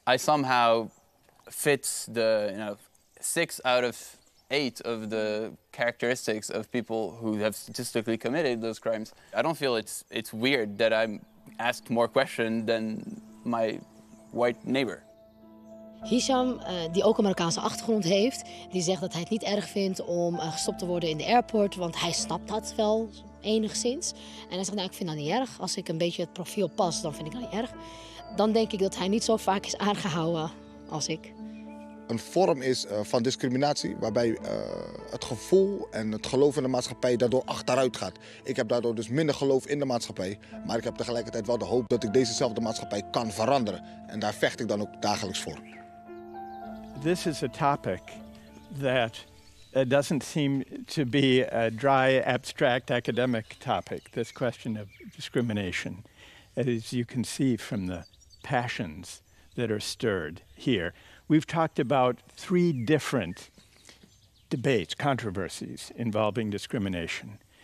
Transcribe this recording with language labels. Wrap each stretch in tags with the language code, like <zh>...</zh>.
<en>I somehow fits the, you know, 6 out of 8 of the characteristics of people who have statistically committed those crimes, I don't feel it's weird that I'm asked more questions than my white neighbor.</en> <nl>Hisham, die ook een Marokkaanse achtergrond heeft, die zegt dat hij het niet erg vindt om gestopt te worden in de airport, want hij snapt dat wel enigszins. En hij zegt, nou, ik vind dat niet erg. Als ik een beetje het profiel pas, dan vind ik dat niet erg. Dan denk ik dat hij niet zo vaak is aangehouden als ik. Een vorm is van discriminatie waarbij het gevoel en het geloof in de maatschappij daardoor achteruit gaat. Ik heb daardoor dus minder geloof in de maatschappij, maar ik heb tegelijkertijd wel de hoop dat ik dezezelfde maatschappij kan veranderen. En daar vecht ik dan ook dagelijks voor.</nl> <en>This is a topic that doesn't seem to be a dry, abstract, academic topic, this question of discrimination. As you can see from the passions that are stirred here, we've talked about 3 different debates, controversies involving discrimination.</en>